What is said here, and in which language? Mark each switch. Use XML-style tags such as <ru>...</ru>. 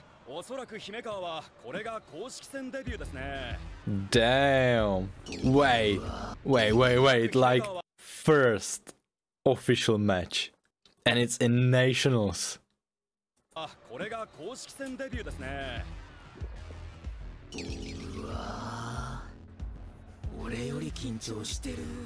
<ja>おそらく姫川はこれが公式戦デビューですね。</ja> <en>Damn. Wait. Like first official match and it's in nationals.</en> <ja>あ、これが公式戦デビューですね。俺より緊張してる。</ja>